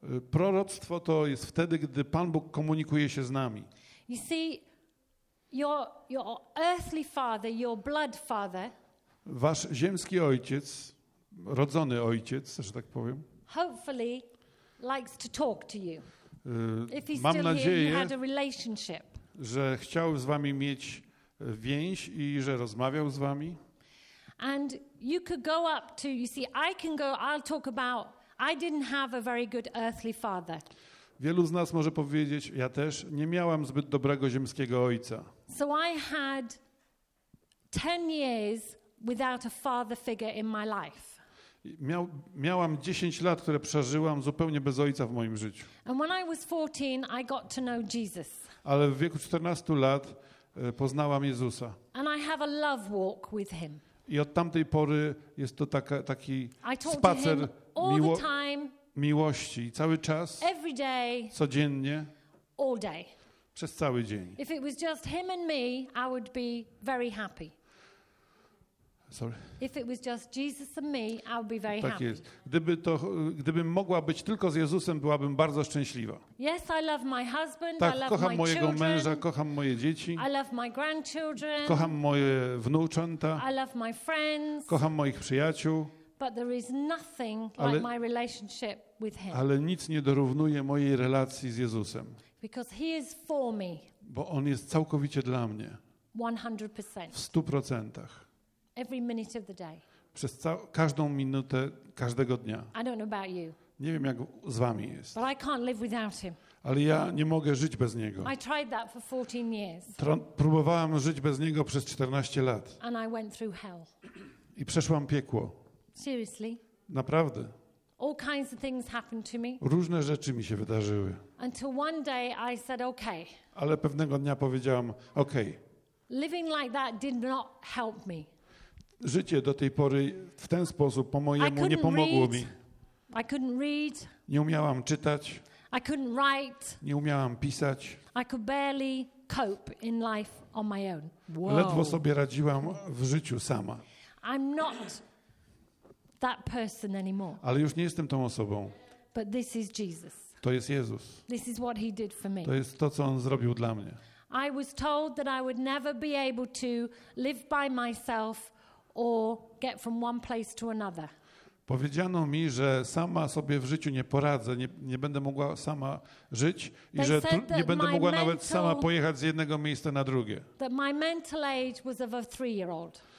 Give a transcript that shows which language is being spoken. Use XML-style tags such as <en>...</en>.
<pl>Proroctwo to jest wtedy, gdy Pan Bóg komunikuje się z nami.</pl> <en>You see, your earthly father, your blood father.</en> <pl>Wasz ziemski ojciec, rodzony ojciec, że tak powiem.</pl> <en>Hopefully. Likes to talk to you. If he's</en> <pl>mam</pl> <en>still</en> <pl>nadzieję,</pl> <en>here, you had a relationship.</en> <pl>Że chciał z wami mieć więź i że rozmawiał z wami.</pl> <en>And you could go up to, you see, I can go, I'll talk about, I didn't have a very good earthly father.</en> <pl>Wielu z nas może powiedzieć, ja też nie miałam zbyt dobrego ziemskiego ojca.</pl> <en>So I had 10 years without a father figure in my life.</en> <pl>Miałam 10 lat, które przeżyłam zupełnie bez ojca w moim życiu.</pl> <en>And when I was 14, I got to know Jesus.</en> <pl>Ale w wieku 14 lat poznałam Jezusa.</pl> <en>And I have a love walk with him.</en> <pl>I od tamtej pory jest to taki spacer miłości. I cały czas,</pl> <en>every day,</en> <pl>codziennie,</pl> <en>all day.</en> <pl>Przez cały dzień.</pl> <en>If it was just him and me, I would be very happy. Sorry. If it was just Jesus and me, I'd be very</en> <pl>tak</pl> <en>happy.</en> <pl>Gdybym mogła być tylko z Jezusem, byłabym bardzo szczęśliwa.</pl> <en>Yes, I love my husband,</en> <pl>tak,</pl> <en>I love</en> <pl>kocham</pl> <en>my</en> <pl>mojego</pl> <en>children,</en> <pl>męża, kocham moje dzieci.</pl> <en>I love my grandchildren,</en> <pl>kocham moje wnuczęta.</pl> <en>I love my friends,</en> <pl>kocham moich przyjaciół.</pl> <en>But there is nothing like my relationship with him.</en> <pl>Ale nic nie dorównuje mojej relacji z Jezusem.</pl> <en>Because he is for me.</en> <pl>Bo on jest całkowicie dla mnie.</pl> <en>100%.</en> <pl>W 100%.</pl> <en>Every minute of the day.</en> <pl>Przez każdą minutę każdego dnia.</pl> <en>I don't know about you.</en> <pl>Nie wiem, jak z wami jest.</pl> <en>But I can't live without him.</en> <pl>Ale ja nie mogę żyć bez niego.</pl> <en>I tried that for 14 years.</en> <pl>Próbowałam żyć bez niego przez 14 lat.</pl> <en>And I went through hell.</en> <pl>I przeszłam piekło.</pl> <en>Seriously?</en> <pl>Naprawdę.</pl> <en>All kinds of things happened to me.</en> <pl>Różne rzeczy mi się wydarzyły.</pl> <en>Until one day I said, okay.</en> <pl>Ale pewnego dnia powiedziałam, okay.</pl> <en>Living like that did not help me.</en> <pl>Życie do tej pory w ten sposób po mojemu nie pomogło mi.</pl> <en>I couldn't read.</en> <pl>Nie umiałam czytać.</pl> <en>I couldn't write.</en> <pl>Nie umiałam pisać.</pl> <en>I could barely cope in life on my own. Whoa.</en> <pl>Ledwo sobie radziłam w życiu sama.</pl> <en>I'm not that person anymore.</en> <pl>Ale już nie jestem tą osobą.</pl> <en>But this is Jesus.</en> <pl>To jest Jezus.</pl> <en>This is what he did for me.</en> <pl>To jest to, co on zrobił dla mnie.</pl> <en>I was told that I would never be able to live by myself or get from one place to another.</en> <pl>Powiedziano mi, że sama sobie w życiu nie poradzę, nie będę mogła sama żyć i że nie będę mogła nawet sama pojechać z jednego miejsca na drugie.</pl> <en>That my mental age was of a three-year-old.</en>